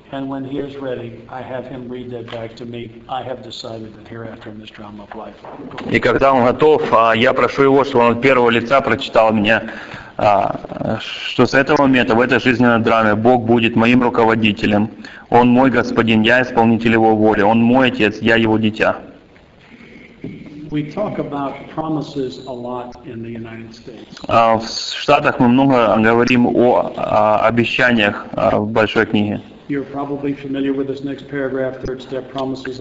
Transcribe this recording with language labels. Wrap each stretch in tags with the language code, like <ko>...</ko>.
<en>And when he is ready, I have him read that back to me. I have decided that hereafter in this drama of life.</en> <ru>И когда он готов, я прошу его, чтобы он от первого лица прочитал мне, что с этого момента, в этой жизненной драме, Бог будет моим руководителем. Он мой Господин, я исполнитель Его воли. Он мой Отец, я Его дитя.</ru> <en>We talk about promises a lot in the United States.</en> <ru>В Штатах мы много говорим о обещаниях в Большой книге.</ru> <en>You're probably familiar with this next paragraph, third step promises.</en>